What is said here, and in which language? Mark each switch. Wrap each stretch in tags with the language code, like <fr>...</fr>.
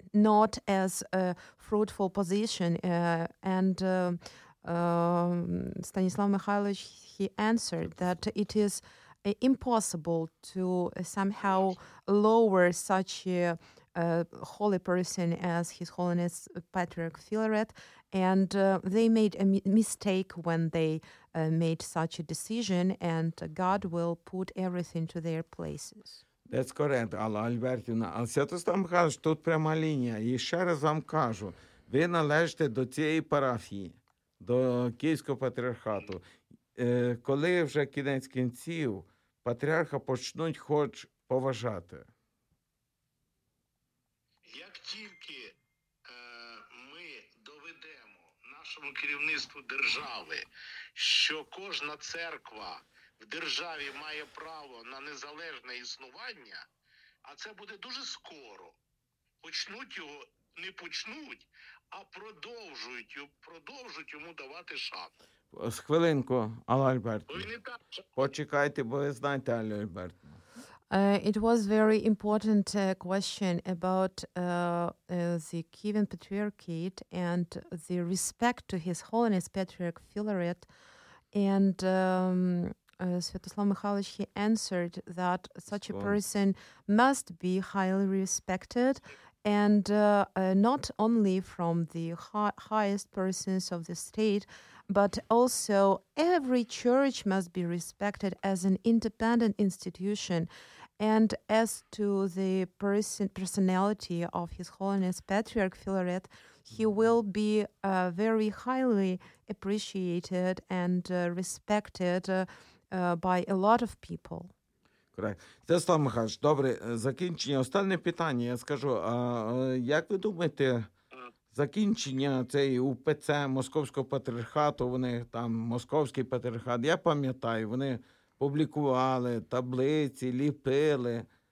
<en>not as a fruitful position. Stanislav Mikhailovich, he answered that it is impossible to somehow lower such a holy person as His Holiness Patriarch Filaret, and they made a mistake when they made such a decision, and God will put everything to their places. That's correct, Алла Альбертівна.</en> <uk>А Святослав Михайлович, тут пряма лінія. І ще раз вам кажу, ви належите до цієї парафії, до Київського патріархату. Коли вже кінець кінців, патріарха почнуть хоч поважати. Як тільки ми доведемо нашому керівництву держави, що кожна церква в державі має право на незалежне існування, а це буде дуже скоро, почнуть його, не почнуть, а продовжують йому давати шану. З хвилинку, Алла Альбертівна. Почекайте, бо ви знаєте, Алла Альбертівна.</uk> <en>It was very important question about the Kievan Patriarchate and the respect to His Holiness Patriarch Filaret. And Svetoslav Mikhailovich, he answered that such a person must be highly respected, and not only from the highest persons of the state, but also every church must be respected as an independent institution. And as to the personality of His Holiness Patriarch Filaret, he will be very highly appreciated and respected by a lot of people. Correct.</en> <uk>Святослав Михайлович, добре, закінчення. Останнє питання, я скажу, як ви думаєте, закінчення цієї УПЦ Московського патріархату, вони там, Московський патріархат, я пам'ятаю, вони публікували таблиці, ліпили.</uk>